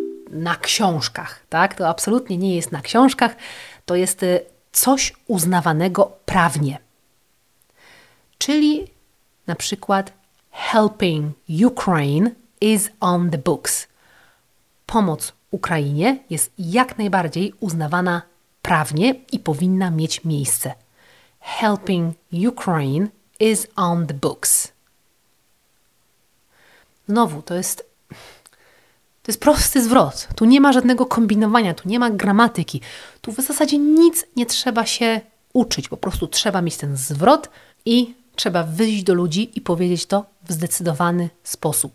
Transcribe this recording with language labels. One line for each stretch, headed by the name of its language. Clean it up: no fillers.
Polish: Na książkach, tak? To absolutnie nie jest na książkach, to jest coś uznawanego prawnie. Czyli na przykład
English: helping Ukraine is on the books.
Polish: Pomoc Ukrainie jest jak najbardziej uznawana prawnie i powinna mieć miejsce.
English: Helping Ukraine is on the books.
Polish: Znowu, to jest prosty zwrot. Tu nie ma żadnego kombinowania, tu nie ma gramatyki. Tu w zasadzie nic nie trzeba się uczyć. Po prostu trzeba mieć ten zwrot i trzeba wyjść do ludzi i powiedzieć to w zdecydowany sposób.